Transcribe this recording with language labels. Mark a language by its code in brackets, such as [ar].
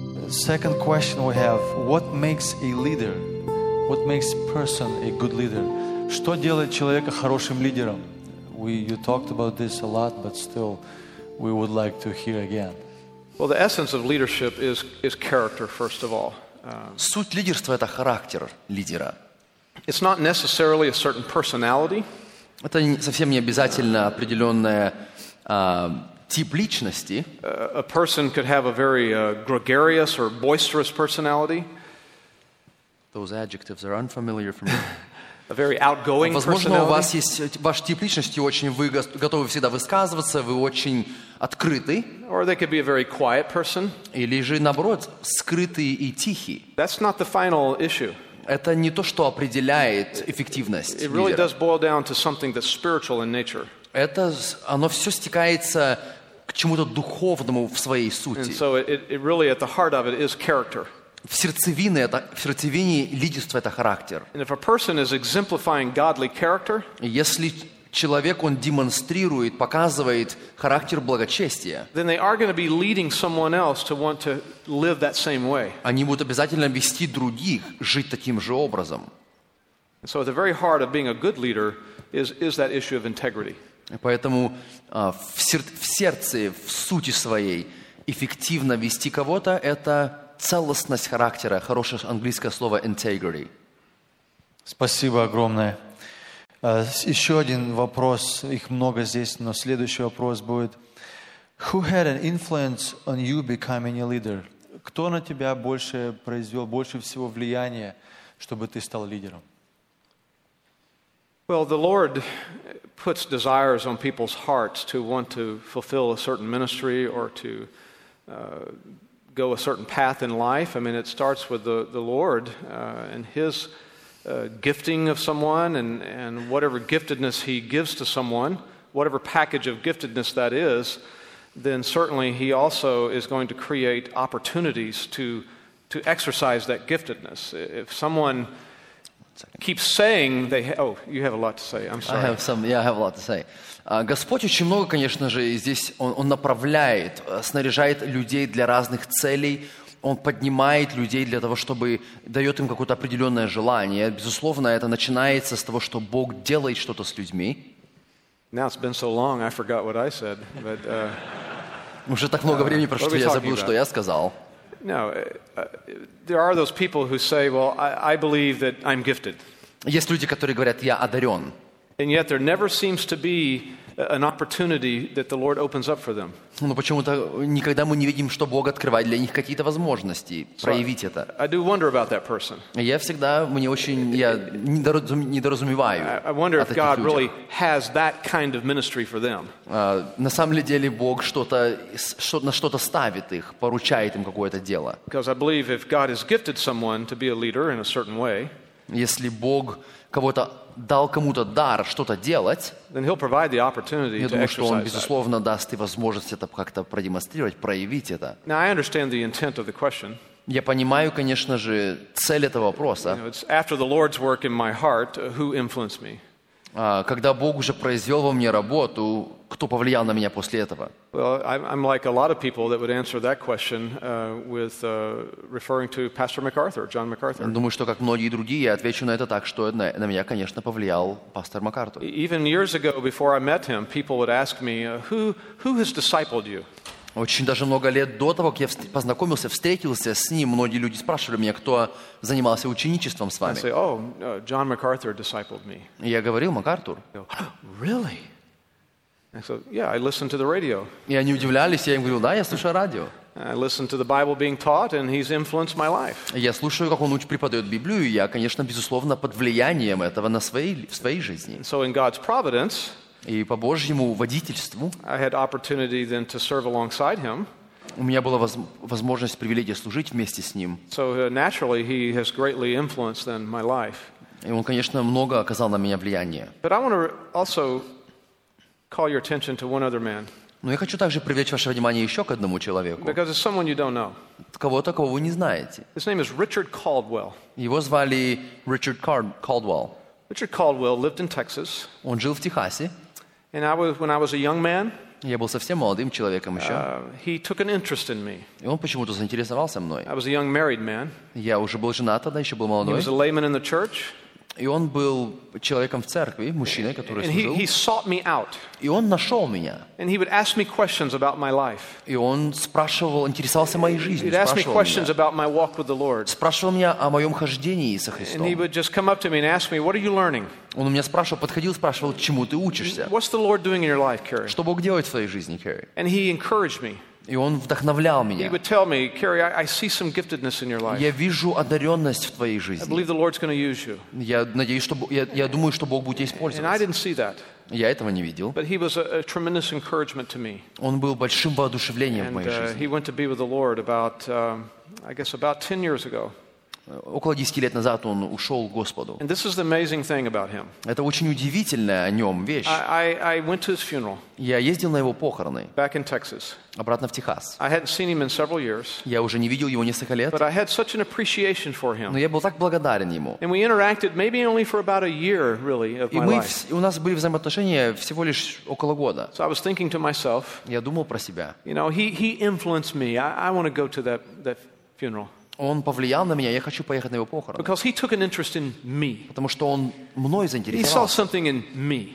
[en] Second question we have: what makes a leader? What makes person a good leader? [ru] Что делает человека хорошим лидером? [en] You talked about this a lot, but still, we would like to hear again. Well, the essence of leadership is character, first of all. [ru] Суть лидерства — это характер лидера. [en] It's not necessarily a certain personality. [ru] Это совсем не обязательно определенная тип личности. [en] A person could have a very gregarious or boisterous personality. Those adjectives are unfamiliar for me. A very outgoing [ru] Возможно, [en] personality. [ru] У вас есть ваш тип личности очень вы готовы всегда высказываться, вы очень открытый. [en] Or they could be a very quiet person. [ru] Или же наоборот, скрытый и тихий. [en] That's not the final issue. [ru] Это не то, что определяет эффективность лидера. [en] It really does boil down to something that's spiritual in nature. [ru] Это оно все стекается к чему-то духовному в своей сути. [en] And so it really at the heart of it is character. [ru] В сердцевине лидерство — это характер. [en] And if a person is exemplifying godly character, [ru] если человек, он демонстрирует, показывает характер благочестия, [en] then they are going to be leading someone else to want to live that same way. [ru] Они будут обязательно вести других жить таким же образом. [en] And so at the very heart of being a good leader is that issue of integrity. [ru] И поэтому в сердце, в сути своей, эффективно вести кого-то — это целостность характера, хорошее английское слово integrity. Спасибо огромное. Еще один вопрос, их много здесь, но следующий вопрос будет: [en] who had an influence on you becoming a leader? [ru] Кто на тебя больше произвел больше всего влияния, чтобы ты стал лидером? [en] Well, the Lord puts desires on people's hearts to want to fulfill a certain ministry or to go a certain path in life. I mean, it starts with the Lord and His gifting of someone and whatever giftedness He gives to someone, whatever package of giftedness that is, then certainly He also is going to create opportunities to exercise that giftedness. If someone keeps saying they... Oh, you have a lot to say. I'm sorry. I have a lot to say. [ru] Господь очень много, конечно же, здесь он направляет, снаряжает людей для разных целей, он поднимает людей для того, чтобы дает им какое-то определенное желание. Безусловно, это начинается с того, что Бог делает что-то с людьми. [en] Now it's been so long, I forgot what I said. But, [ru] уже так много времени прошло, я забыл, что я сказал. [en] No, there are those people who say, well, I believe that I'm gifted. [ru] Есть люди, которые говорят, я одарен. [en] And yet there never seems to be an opportunity that the Lord opens up for them. [ru] Но почему-то никогда мы не видим, что Бог открывает для них какие-то возможности проявить это. [en] I do wonder about that person. [ru] Я всегда, мне очень, я недоразумеваю. [en] I wonder if God really has that kind of ministry for them. [ru] На самом ли деле Бог что-то ставит их, поручает им какое-то дело. [en] Because I believe if God has gifted someone to be a leader in a certain way, [ru] если Бог кого-то дал кому-то дар что-то делать, [en] then he'll provide the opportunity [ru] я думаю, что он, безусловно, даст и возможность это как-то продемонстрировать, проявить это. [en] Now, I understand the intent of the question. [ru] Я понимаю, конечно же, цель этого вопроса. [en] You know, it's after the Lord's work in my heart, who influenced me? [ru] Когда Бог уже произвел во мне работу, кто повлиял на меня после этого? [en] Well, I'm like a lot of people that would answer that question with referring to Pastor MacArthur, John MacArthur. [ru] Думаю, что как многие другие, я отвечу на это так, что на меня, конечно, повлиял пастор MacArthur. [en] Even years ago, before I met him, people would ask me, who has discipled you? [ru] Очень даже много лет до того, как я познакомился, встретился с ним, многие люди спрашивали меня, кто занимался ученичеством с вами. [en] I say, oh, John MacArthur discipled me. [ru] Я говорил, MacArthur. [en] Really? I said, yeah, I listened to the radio. [ru] И они удивлялись, я им говорил, да, я слушаю радио. [en] I listened to the Bible being taught, and he's influenced my life. [ru] Я слушаю, как он преподает Библию, и я, конечно, безусловно, под влиянием этого в своей жизни. [en] So in God's providence, [ru] и по Божьему водительству, [en] I had opportunity then to serve alongside him. [ru] У меня была возможность, привилегия служить вместе с ним. [en] So naturally, he has greatly influenced then my life. [ru] И он, конечно, много оказал на меня влияние. [en] But I want to also call your attention to one other man. [ru] Но я хочу также привлечь ваше внимание еще к одному человеку. [en] Because it's someone you don't know. [ru] Кого-то, кого вы не знаете. [en] His name is Richard Caldwell. [ru] Его звали Richard Caldwell. [en] Richard Caldwell lived in Texas. [ru] Он жил в Техасе. [en] And when I was a young man, [ru] я был совсем молодым человеком еще. [en] He took an interest in me. [ru] И он почему-то заинтересовался мной. [en] I was a young married man. [ru] Я уже был женат тогда, еще был молодой. [en] He was a layman in the church. [ru] И он был человеком в церкви, мужчиной, который служил. [en] And he sought me out. [ru] И он нашел меня. [en] And he would ask me questions about my life. [ru] И он спрашивал, интересовался моей жизнью. [en] He'd ask me questions about my walk with the Lord. [ru] Спрашивал меня о моем хождении со Христом. [en] And he would just come up to me and ask me, "What are you learning?" [ru] Он у меня спрашивал, подходил, спрашивал, чему ты учишься? [en] What's the Lord doing in your life, Kerry? [ru] Что Бог делает в твоей жизни, Kerry? [en] And he encouraged me. [ru] И он вдохновлял меня. [en] He would tell me, "Kerry, I see some giftedness in your life." [ru] Я вижу одаренность в твоей жизни. [en] I believe the Lord's going to use you. [ru] Я надеюсь, что я думаю, что Бог будет тебя использовать. [en] And I didn't see that. [ru] Я этого не видел. [en] But he was a tremendous encouragement to me. [ru] Он был большим воодушевлением в моей жизни. [en] And he went to be with the Lord about, I guess, about 10 years ago. [ru] Около 10 лет назад он ушел к Господу. [en] And this is the amazing thing about him. [ru] Это очень удивительная о нем вещь. [en] I went to his funeral. [ru] Я ездил на его похороны. [en] Back in Texas. [ru] Обратно в Техас. [en] I hadn't seen him in several years. [ru] Я уже не видел его несколько лет. [en] But I had such an appreciation for him. [ru] Но я был так благодарен ему. [en] And we interacted maybe only for about a year, really, of my life. [ru] И у нас были взаимоотношения всего лишь около года. [en] So I was thinking to myself. [ru] Я думал про себя. [en] You know, he influenced me. I want to go to that funeral. [ru] Он повлиял на меня, я хочу поехать на его похороны. [en] Because he took an interest in me. [ru] Потому что он мной заинтересовался. [en] He saw something in me.